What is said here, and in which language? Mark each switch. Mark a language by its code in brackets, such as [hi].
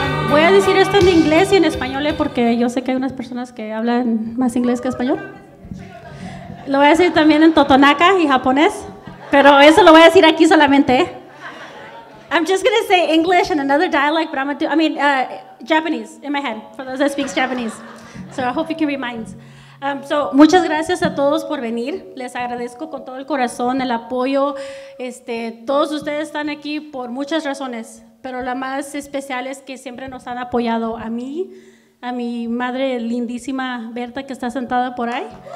[es] Voy a decir esto en inglés y en español, porque yo sé que hay unas personas que hablan más inglés que español. Lo voy a decir también en totonaca y japonés, pero eso lo voy a decir aquí solamente. [en] I'm just going to say English and another dialect, but I'm going to do, Japanese in my head, for those that speak Japanese. So I hope you can read mine. So, [es] muchas gracias a todos por venir. Les agradezco con todo el corazón el apoyo. Todos ustedes están aquí por muchas razones, pero la más especial es que siempre nos han apoyado a mí, a mi madre lindísima Berta, que está sentada por ahí.